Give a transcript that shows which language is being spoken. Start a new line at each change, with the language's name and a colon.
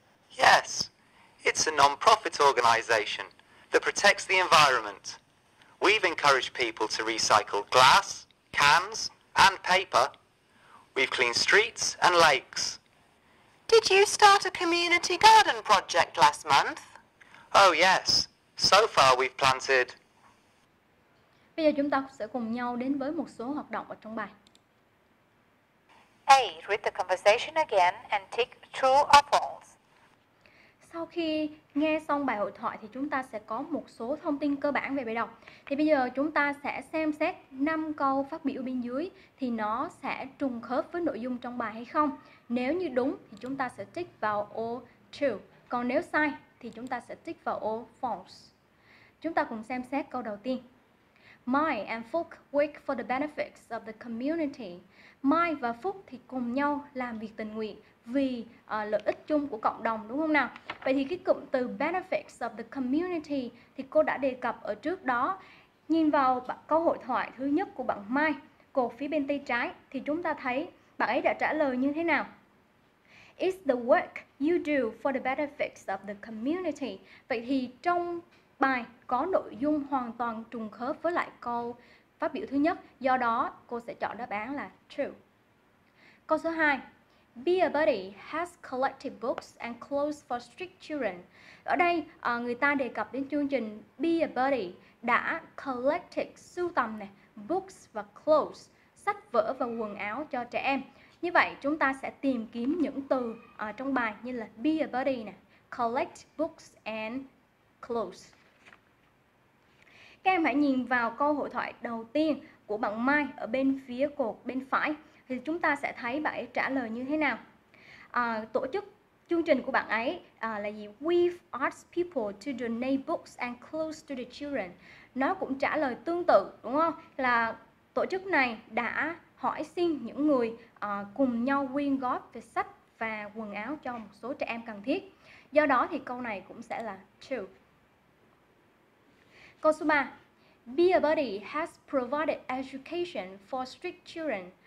English: Yes, it's a non-profit organisation that protects the environment. We've encouraged people to recycle glass, cans and paper. We've cleaned streets and lakes. Did you start a community garden project last month? Oh yes. So far we've planted.
Vietnamese: Bây giờ chúng ta sẽ cùng nhau đến với một số hoạt động ở trong bài.
English: A. Read the conversation again and tick true or false.
Vietnamese: Sau khi nghe xong bài hội thoại thì chúng ta sẽ có một số thông tin cơ bản về bài đọc. Thì bây giờ chúng ta sẽ xem xét 5 câu phát biểu bên dưới thì nó sẽ trùng khớp với nội dung trong bài hay không. Nếu như đúng thì chúng ta sẽ tick vào ô true. Còn nếu sai thì chúng ta sẽ tick vào ô false. Chúng ta cùng xem xét câu đầu tiên.
English: Mai and Phúc work for the benefits of the community.
Vietnamese: Mai và Phúc thì cùng nhau làm việc tình nguyện vì lợi ích chung của cộng đồng, đúng không nào? Vậy thì cái cụm từ
English: benefits of the community
Vietnamese: thì cô đã đề cập ở trước đó. Nhìn vào câu hội thoại thứ nhất của bạn Mai, cột phía bên tay trái, thì chúng ta thấy bạn ấy đã trả lời như thế nào?
English: It's the work you do for the benefits of the community.
Vietnamese: Vậy thì trong bài có nội dung hoàn toàn trùng khớp với lại câu phát biểu thứ nhất, do đó cô sẽ chọn đáp án là true. Câu số 2.
English: Be a Buddy has collected books and clothes for street children.
Vietnamese: Ở đây người ta đề cập đến chương trình Be a Buddy đã collected, sưu tầm này, books và clothes, sách vở và quần áo cho trẻ em. Như vậy chúng ta sẽ tìm kiếm những từ trong bài như là Be a Buddy này,
English: collect books and clothes.
Vietnamese: Các em hãy nhìn vào câu hội thoại đầu tiên của bạn Mai ở bên phía cột bên phải, thì chúng ta sẽ thấy bạn ấy trả lời như thế nào. Tổ chức chương trình của bạn ấy là gì?
English: We've asked people to donate books and clothes to the children.
Vietnamese: Nó cũng trả lời tương tự, đúng không? Là tổ chức này đã hỏi xin những người cùng nhau quyên góp về sách và quần áo cho một số trẻ em cần thiết. Do đó thì câu này cũng sẽ là true. Câu số 3.
English: Be a Buddy has provided education for street children.